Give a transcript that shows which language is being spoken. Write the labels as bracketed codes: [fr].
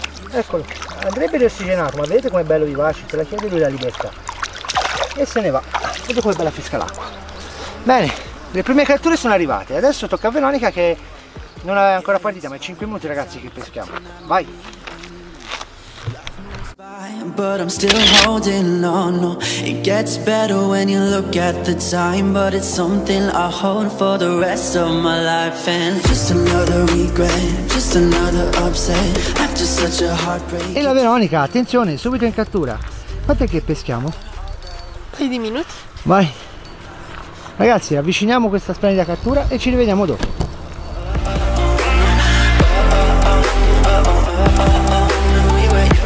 [it] Eccolo, andrebbe riossigenato, ma vedete com'è bello vivace, te la chiede lui la libertà. E se ne va, vedete com'è bella fresca l'acqua. Bene, le prime catture sono arrivate. Adesso tocca a Veronica che non è ancora partita, ma è 5 minuti ragazzi che peschiamo. Vai! [en] But I'm still holding on, no. It gets better when you look at the time, but it's something I hold for the rest of my life. And just another regret, just another upset after such a heartbreak. [it] E la Veronica, attenzione, subito in cattura. Quanto è che peschiamo? Paio di minuti. Vai. Ragazzi, avviciniamo questa splendida cattura e ci rivediamo dopo. [en] We